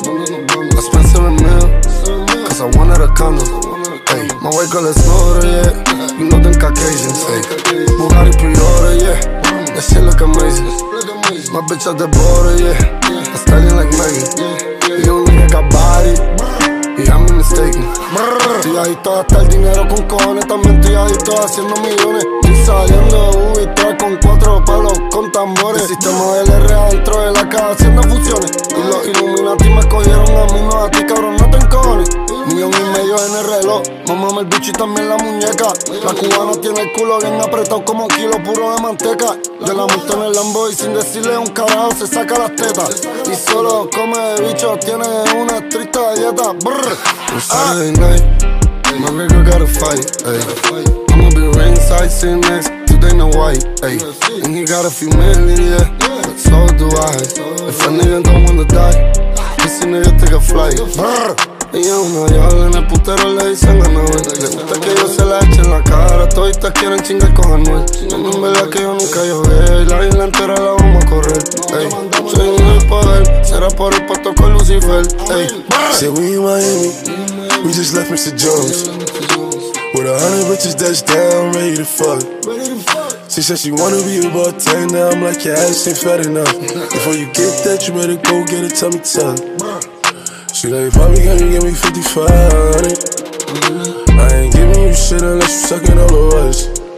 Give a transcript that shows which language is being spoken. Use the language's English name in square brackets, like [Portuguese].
[English] I spent 7 mil, cause I wanted a condo. Ay, my white girl is older, yeah. You know them Caucasians, ay. Bugatti pre-order, yeah. That shit look amazing. My bitch at the border, yeah. I'm styling like Megan. You don't think I got body? Yeah, I'm mistaken. [Spanish] Estoy adicto a gastar dinero con cojones. También estoy adicto a haciendo millones. Estoy saliendo de Ubi, trae con 4 palos con tambores. El sistema del R adentro de la casa haciendo fusiones. Y los Illuminati me cogieron a mí, no a ti, cabrón, no te encojones. 1,000,000 en el reloj. Mamame el bicho y también la muñeca. La cubana tiene el culo bien apretado como un kilo puro de manteca. Yo la monto en el Lambo y sin decirle un carajo se saca las tetas. Y solo come de bicho, tiene una estricta dieta. [English] On Saturday night, my girl got a fight, ayy. I'ma be ringside sitting next to Dana White, ayy. And he got a few million, yeah, but so do I. If a nigga don't wanna die, this nigga take a flight. Brr. [Spanish] Ella es una diabla, en el putero le dicen a Noel. Le gusta que yo se la eche en la cara. Toditas quieren chingar con Anuel. No es verdad que yo nunca llogué. La isla entera la vamos a correr. Ey, soy un del poder. Será por el pato con Lucifer. Ey, [English] say we in Miami. We just left Mr. Jones. With 100 bitches that's down, ready to fuck. She said she wanna be a bartender. I'm like, your ass ain't fat enough. Before you get that, you better go get a tummy tuck. She like, Bobby, can you give me 5,500? I ain't giving you shit unless you suckin' all of us.